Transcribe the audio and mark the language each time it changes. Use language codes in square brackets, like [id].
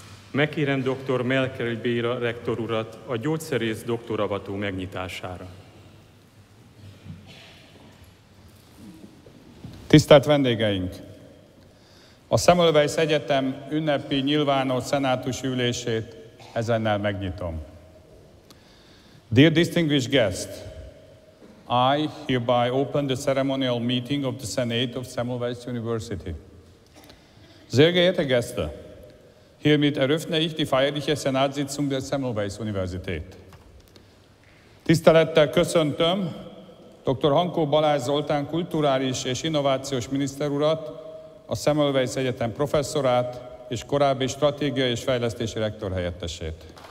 [hu] Megkérem dr. Melkel Béla rektor urat a gyógyszerész doktoravató megnyitására. Tisztelt vendégeink! A Semmelweis Egyetem ünnepi nyilvános szenátus ülését ezennel megnyitom. [en] Dear distinguished guests, I hereby open the ceremonial meeting of the Senate of Semmelweis University. [de] Sehr geehrte Gäste, hiermit eröffne ich die feierliche Senatssitzung der Semmelweis Universität. [hu] Tisztelettel köszöntöm Dr. Hankó Balázs Zoltán kulturális és innovációs miniszter urat, a Semmelweis Egyetem professzorát és korábbi stratégiai és fejlesztési rektor helyettesét.